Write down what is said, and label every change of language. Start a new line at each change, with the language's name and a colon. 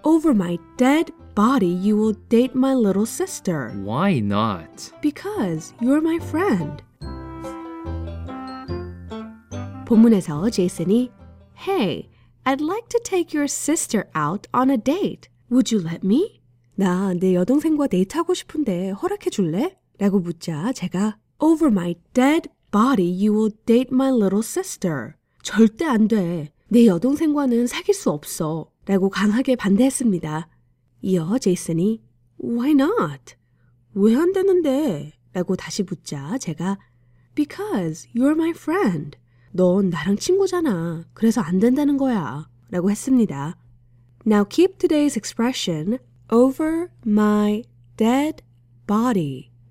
English: Over my dead body, you will date my little sister. Why not? Because you're my friend.
Korean: 본문에서
English: Jason이, Hey, I'd like to take your sister out on a date. Would you let me?
Korean: 나 내 여동생과 데이트하고 싶은데 허락해 줄래? 라고 묻자 제가
English: Over my dead body, you will date my little sister.
Korean: 절대 안 돼. 내 여동생과는 사귈 수 없어. 라고 강하게 반대했습니다. 이어 제이슨이 Why not? 왜 안 되는데? 라고 다시 묻자 제가 Because you're my friend. 넌 나랑 친구잖아. 그래서 안 된다는 거야. 라고 했습니다.
English: Now keep today's expression over my dead body.